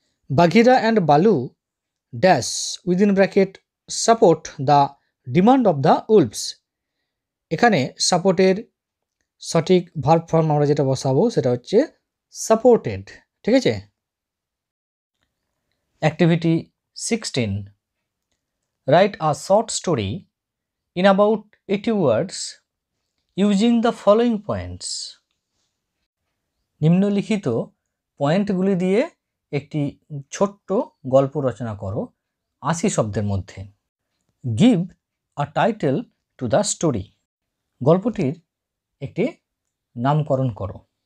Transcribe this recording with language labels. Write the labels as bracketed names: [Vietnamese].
[English] Bagheera and Baloo dash within bracket support the demand of the wolves [Bangla] এখানে সাপোর্টের সঠিক ভার্ব ফর্ম আমরা যেটা বসাবো সেটা হচ্ছে সাপোর্টেড ঠিক আছে activity 16 [English] write a short story in about 80 words using the following points. [Bangla] নিম্নলিখিত পয়েন্টগুলি দিয়ে একটি ছোট্ট গল্প রচনা করো 80 শব্দের মধ্যে। [English] give a title to the story, [Bangla] গল্পটির একটি নামকরণ করো।